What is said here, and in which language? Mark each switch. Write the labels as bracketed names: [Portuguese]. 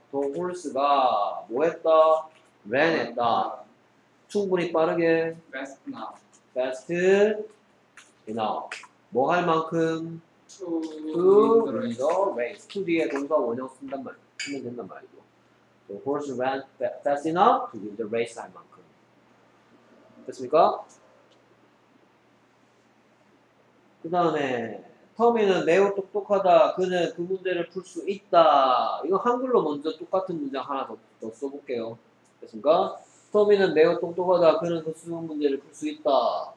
[Korean] The horse가 뭐 했다? Ran 했다. 충분히 빠르게? [English] Best enough. Best enough. [Korean] 뭐 할 만큼? [English] To win the race. [Korean] To 뒤에 동사 원형 쓴단 말, 쓰면 된단 말이죠. [English] The horse ran fast enough to win the race [Korean] 할 만큼. 됐습니까? 그 다음에 터미는 매우 똑똑하다. 그는 그 문제를 풀 수 있다. 이거 한글로 먼저 똑같은 문장 하나 더 써볼게요. 됐습니까? 터미는 매우 똑똑하다. 그는 그 수능 문제를 풀 수 있다.